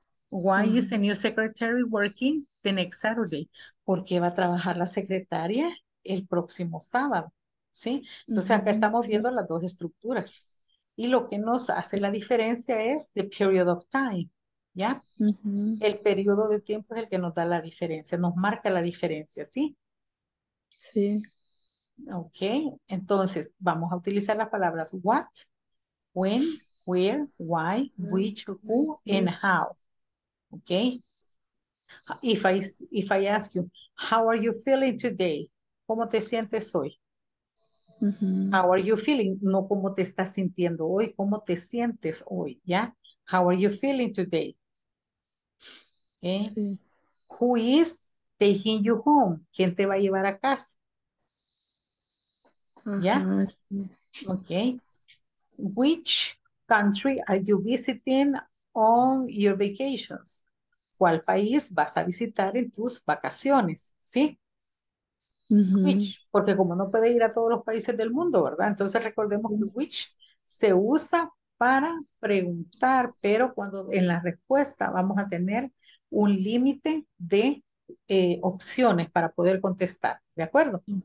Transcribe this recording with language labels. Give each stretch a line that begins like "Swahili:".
English: Why is the new secretary working the next Saturday?
Spanish: ¿Por qué va a trabajar la secretaria el próximo sábado? ¿Sí? Entonces acá estamos viendo las dos estructuras. Y lo que nos hace la diferencia es the period of time, ¿ya? El periodo de tiempo es el que nos da la diferencia, nos marca la diferencia, ¿sí? Sí. Ok, entonces vamos a utilizar las palabras what, when, where, why, which, who, and how. Ok.
English: If I ask you, how are you feeling today?
Spanish: ¿Cómo te sientes hoy? How are you feeling? No, ¿cómo te estás sintiendo hoy? ¿Cómo te sientes hoy? ¿Ya?
English: How are you feeling today? Okay.
Spanish: Sí. Who is taking you home? ¿Quién te va a llevar a casa? ¿Ya? Okay.
English: Which country are you visiting on your vacations?
Spanish: ¿Cuál país vas a visitar en tus vacaciones? ¿Sí? Which, porque como no puede ir a todos los países del mundo, ¿verdad? Entonces recordemos que which se usa para preguntar, pero cuando en la respuesta vamos a tener un límite de opciones para poder contestar, ¿de acuerdo?